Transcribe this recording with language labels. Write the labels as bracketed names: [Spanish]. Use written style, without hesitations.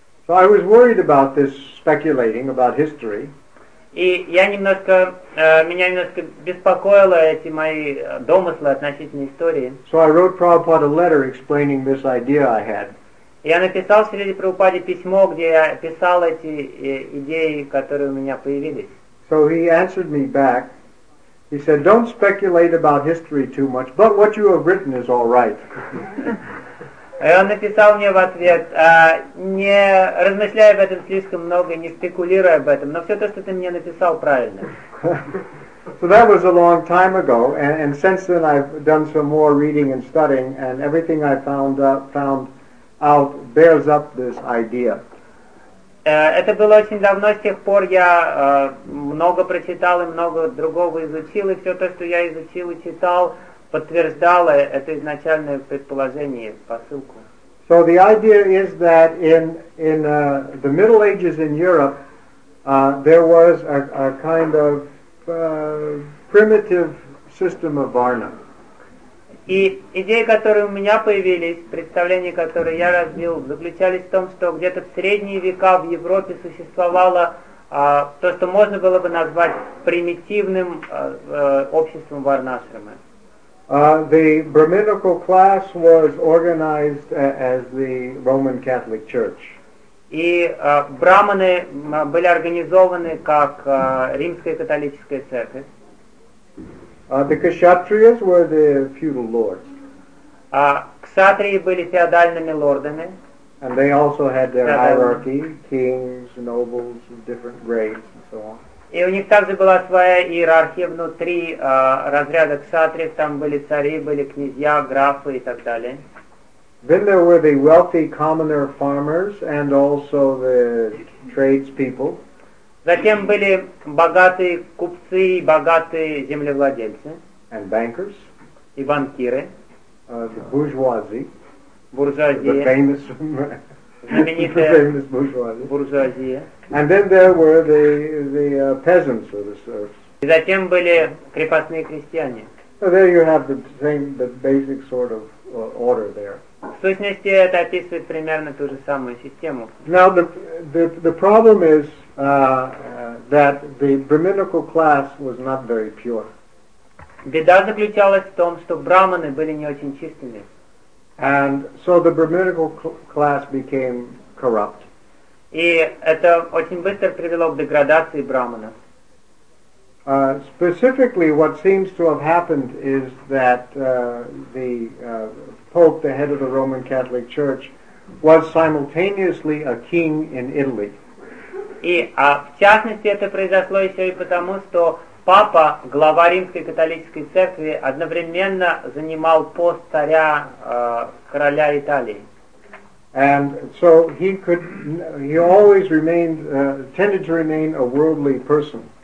[English] So I was worried about this speculating about history. [Russian] И я немножко, меня немножко беспокоило эти мои домыслы относительно истории. [English] So I wrote Prabhupada a letter explaining this idea I had. [Russian] Я написал Шриле Прабхупаде письмо, где я писал эти идеи, которые у меня появились. [English] So he answered me back. He said, "Don't speculate about history too much, but what you have written is all right." [Russian] И он написал мне в ответ, не размышляй об этом слишком много, не спекулируй об этом, но все то, что ты мне написал, правильно. [English] So that was a long time ago, and since then I've done some more reading and studying, and everything I found out bears up this idea. [Russian] Это было очень давно, с тех пор я много прочитал и много другого изучил, и все то, что я изучил и читал, подтверждало это изначальное предположение, посылку. [English] So the idea is that in the Middle Ages in Europe, there was a kind of primitive system of varna. [Russian] И идеи, которые у меня появились, представления, которые я развил, заключались в том, что где-то в средние века в Европе существовало то, что можно было бы назвать примитивным обществом варнашрамы. [English] The brahminical class was organized as the Roman Catholic Church. [Russian] И брахманы были организованы как Римская католическая церковь. [English] The kshatriyas were the feudal lords. [Russian] Кшатрии были феодальными лордами. [English] And they also had their hierarchy, kings, nobles of different grades and so on. [Russian] И у них также была своя иерархия внутри разряда кшатриев. Там были цари, были князья, графы и так далее. [English] Then there were the wealthy commoner farmers and also the tradespeople. [Russian] Затем были богатые купцы и богатые землевладельцы. [English] And bankers. [Russian] И банкиры. [English] The bourgeoisie. [Russian] Буржуазия. [English] The famous... [Russian] Знаменитая буржуазия. [English] And then there were the peasants or the serfs. [Russian] И затем были крепостные крестьяне. [English] So there you have the basic sort of order there. [Russian] В сущности, это описывает примерно ту же самую систему. [English] Now the problem is that the brahminical class was not very pure. [Russian] Беда заключалась в том, что брахманы были не очень чистыми. [English] And so the brahminical class became corrupt. [Russian] И это очень быстро привело к деградации брахманов. [English] Specifically, what seems to have happened is that the Pope, the head of the Roman Catholic Church, was simultaneously a king in Italy. [Russian] И в частности это произошло еще и потому, что папа, глава Римской католической церкви, одновременно занимал пост царя, короля Италии. [English] And so he always remained, tended to remain a worldly person.